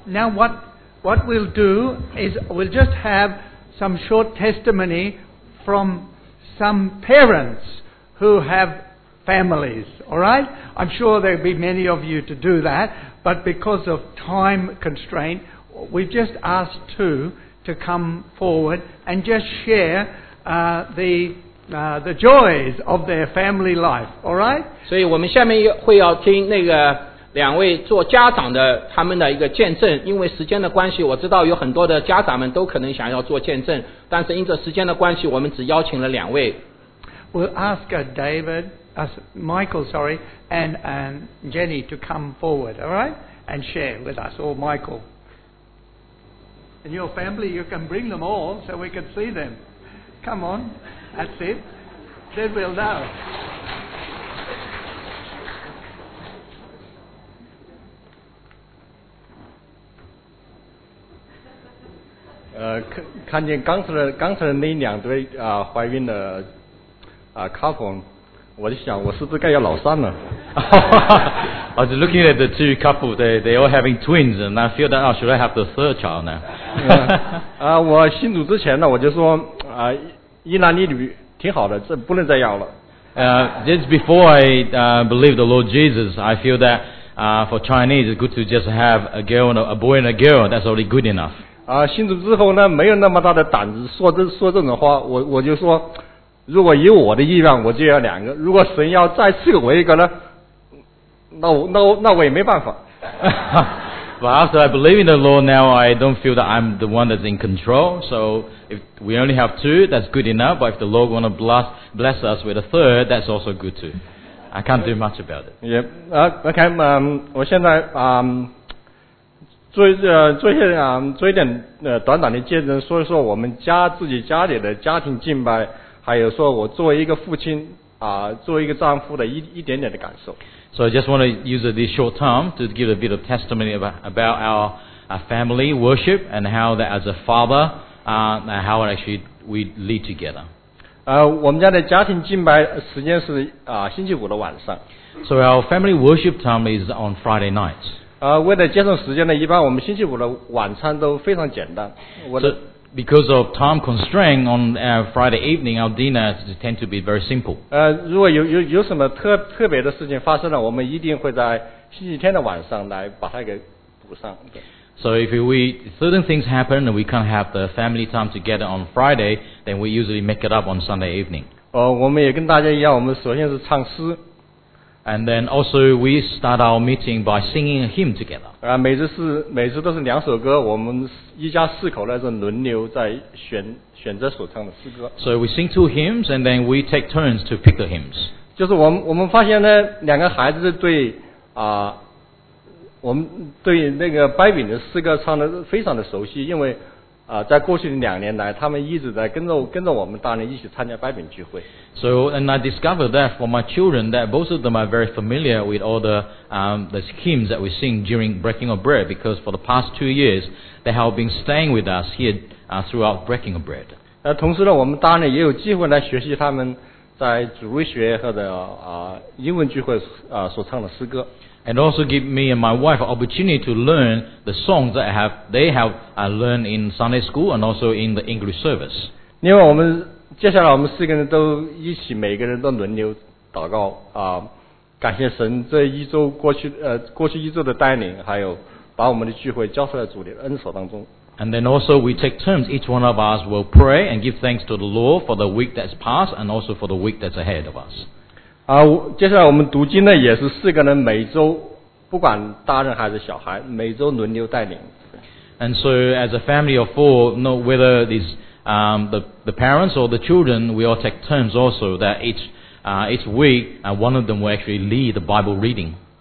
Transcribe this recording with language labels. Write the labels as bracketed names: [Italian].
[English] Now what we'll do is we'll just have some short testimony from some parents who have families, all right? I'm sure there'll be many of you to do that, but because of time constraint, we've just asked two to come forward and just share the joys of their family life, all right? [Chinese] 所以我们下面会要听那个两位做家长的他们的一个见证，因为时间的关系，我知道有很多的家长们都可能想要做见证，但是因着时间的关系，我们只邀请了两位。 [English] We'll ask David, Michael, sorry, and Jenny to come forward, all right, and share with us, or Michael. And your family, you can bring them all so we can see them. Come on, that's it. Then we'll know. [Chinese] 看见刚才的那两对怀孕的couple, 我就想我是不是该要老三了。 [English] I was looking at the two couples, they all having twins, and I feel that, should I have the third child now? [Chinese] 我信主之前呢，我就说一男一女挺好的，这不能再要了。 [English] Just before I believe the Lord Jesus, I feel that for Chinese, it's good to just have a girl and a boy and a girl, that's already good enough. [Chinese] 信主之后呢，没有那么大的胆子说这种话。我就说，如果以我的意愿，我就要两个。如果神要再赐给我一个呢，那我也没办法。 [English] But after I believe in the Lord now, I don't feel that I'm the one that's in control. So if we only have two, that's good enough. But if the Lord want to bless us with a third, that's also good too. I can't do much about it. Yeah. Okay. [Chinese] 我现在做一点短短的见证，说一说我们家自己家里的家庭敬拜，还有说我作为一个父亲作为一个丈夫的一点点的感受。 [English] So I just want to use this short time to give a bit of testimony about our family worship and how that as a father how actually we lead together. [Chinese] 我们家的家庭敬拜时间是星期五的晚上。 [English] So our family worship time is on Friday night. [Chinese] 为了节省时间呢，一般我们星期五的晚餐都非常简单。 [English] So, because of time constraint on Friday evening, our dinners tend to be very simple. [Chinese] 如果有什么特别的事情发生了，我们一定会在星期天的晚上来把它给补上。 [English] So if we certain things happen and we can't have the family time together on Friday, then we usually make it up on Sunday evening. [Chinese] 我们也跟大家一样，我们首先是唱诗。 [English] And then also we start our meeting by singing a hymn together. [Chinese] 每次都是两首歌，我们一家四口呢是轮流在选择所唱的诗歌。 [English] So we sing two hymns and then we take turns to pick the hymns. [Chinese] 就是我们发现呢，两个孩子对我们对那个掰饼的诗歌唱的非常的熟悉，因为在过去的两年来，他们一直在跟着我们大人一起参加掰饼聚会。 [English] So and I discovered that for my children that both of them are very familiar with all the hymns that we sing during breaking of bread because for the past 2 years they have been staying with us here throughout breaking of bread. [Chinese] 同时呢，我们大人也有机会来学习他们在主日学或者英文聚会所唱的诗歌。 [English] And also give me and my wife an opportunity to learn the songs that they have learned in Sunday school and also in the English service. [Chinese] 另外我们接下来我们四个人都一起每个人都轮流祷告感谢神这一周过去一周的带领还有把我们的聚会交出来主的恩手当中。 [English] And then also we take turns, each one of us will pray and give thanks to the Lord for the week that's passed and also for the week that's ahead of us. [Chinese] 接下来我们读经呢也是四个人每周不管大人还是小孩每周轮流带领。 [English] And so as a family of four, no, whether it's, the parents or the children, we all take turns also that each week, one of them will actually lead the Bible reading.